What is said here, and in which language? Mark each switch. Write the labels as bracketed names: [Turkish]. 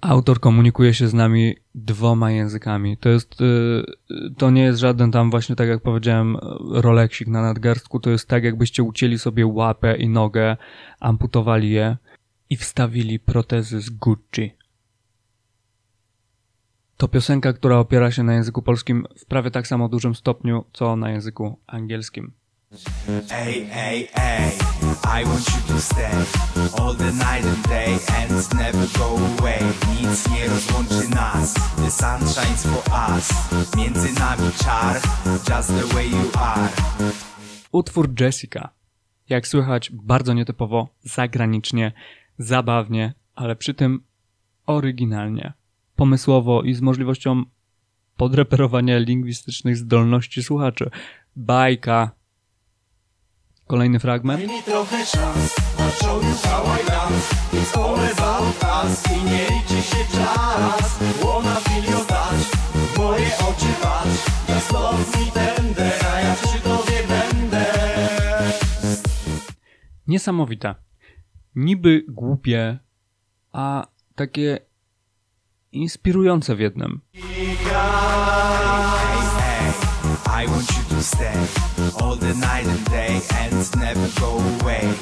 [Polish] Autor komunikuje się z nami dwoma językami. To jest, to nie jest żaden tam właśnie, tak jak powiedziałem, Rolexik na nadgarstku. To jest tak, jakbyście ucięli sobie łapę i nogę, amputowali je i wstawili protezy z Gucci. To piosenka, która opiera się na języku polskim w prawie tak samo dużym stopniu, co na języku angielskim. [English] Hey, hey, hey, I want you to stay all the night and day and never go away. [Polish] Nic nie rozłączy nas, [English] the sun shines for us. [Polish] Między nami czar, [English] just the way you are. Utwór Jessica. [Polish] Jak słychać, bardzo nietypowo, zagranicznie, zabawnie, ale przy tym oryginalnie, pomysłowo i z możliwością podreperowania lingwistycznych zdolności słuchaczy. Bajka. Kolejny fragment. Daj mi trochę szans, [English] I show you how I dance. It's all about us [Polish] i nie liczy się czas. [English] Wanna feel your touch, [Polish] moje oczy patrz. [English] Just love me tender, [Polish] a ja przy tobie będę. Niesamowite. Niby głupie, a takie inspirujące w jednym. [English] I want you to stay all the night and day and never go away.